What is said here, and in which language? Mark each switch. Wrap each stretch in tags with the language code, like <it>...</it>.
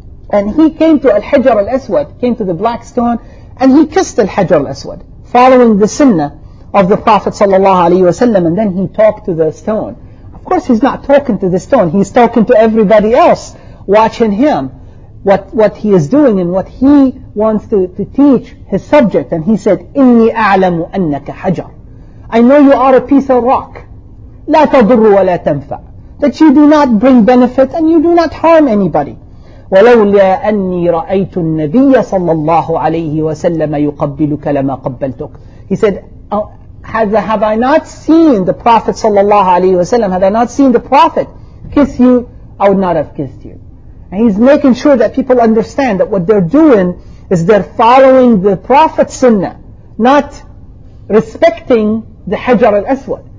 <en>And he came to Al-Hajar Al-Aswad, came to the black stone, and he kissed Al-Hajar Al-Aswad, following the sunnah of the Prophet sallallahu alaihi wasallam, and then he talked to the stone. Of course, he's not talking to the stone, he's talking to everybody else watching him, what he is doing and what he wants to teach his subject. And he said,</en> <ar>إِنِّي أَعْلَمُ أَنَّكَ حَجَرٌ.</ar> <en>I know you are a piece of rock.</en> <ar>لا تضر ولا تنفع.</ar> <en>That you do not bring benefit and you do not harm anybody.</en> <ar>ولولا أني رأيت النبي صلى الله عليه وسلم يقبلك لما قبلتك.</ar> <en>He said, have I not seen the Prophet صلى الله عليه وسلم? Had I not seen the Prophet kiss you, I would not have kissed you. And he's making sure that people understand that what they're doing is they're following the Prophet's sunnah, not respecting the Hajar al-Aswad.</en>